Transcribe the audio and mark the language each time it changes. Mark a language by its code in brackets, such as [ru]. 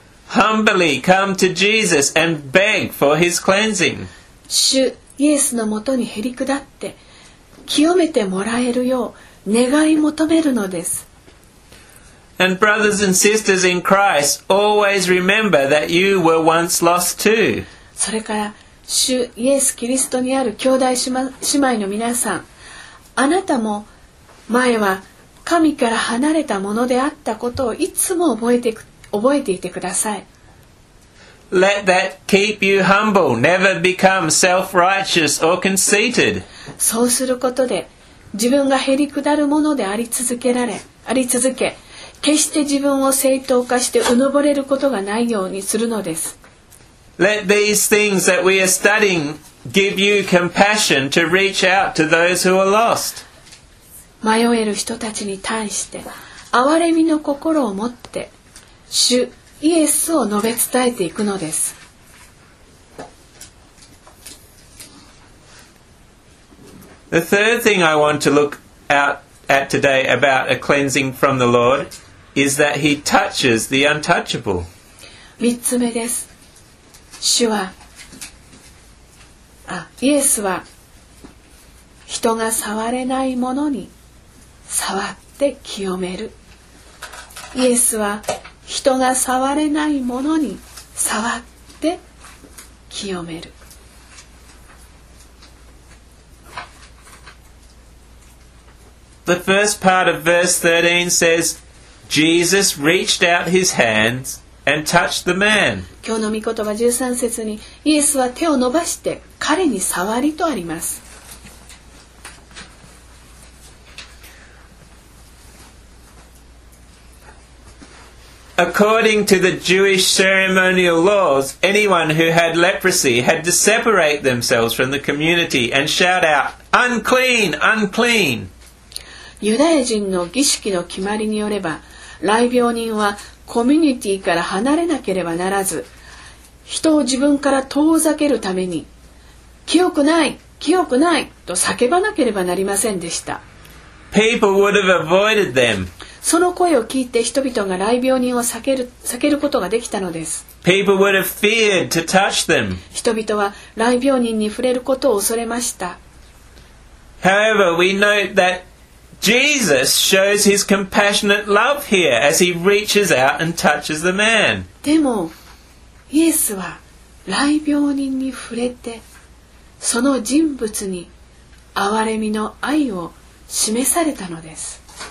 [en] Humbly come to Jesus and beg for His cleansing. [ja] 主イエスのもとにへり下って清めてもらえるよう願い求めるのです。 [en] And brothers and sisters in Christ, always remember that you were once lost too. [ja] それから主イエスキリストにある兄弟姉妹の皆さん、あなたも前は神から離れたものであったことをいつも覚えていてください。 [en] Let that keep you humble, never become self-righteous or conceited. [ja] そうすることで、自分がへり下るものであり続けられ、あり続け、決して自分を正当化してうぬぼれることがないようにするのです。 [en] Let these things that we are studying give you compassion to reach out to those who are lost. [ja] 迷える人たちに対して、憐れみの心を持って、主イエスを述べ伝えていくのです。 [en] The third thing I want to look out at today about a cleansing from the Lord is that He touches the untouchable. [ja] 三つ目です。主は、イエスは人が触れないものに触って清める。イエスは人が触れないものに触って清める。 [en] The first part of verse 13 says, Jesus reached out his hands and touched the man. [ja] 今日の御言葉13節に、イエスは手を伸ばして彼に触りとあります。 [en] According to the Jewish ceremonial laws, anyone who had leprosy had to separate themselves from the community and shout out, unclean, unclean. [ja] ユダヤ人の儀式の決まりによれば、雷病人はコミュニティから離れなければならず、人を自分から遠ざけるために、清くない、清くないと叫ばなければなりませんでした。 [en] People would have avoided them. [ja] その声を聞いて人々が雷病人を避けることができたのです。 [en] People would have feared to touch them. [ja] 人々は雷病人に触れることを恐れました。 [en] However, we note that Jesus shows his compassionate love here as he reaches out and touches the man. [ja] でも、イエスは雷病人に触れて、その人物に憐れみの愛を示されたのです。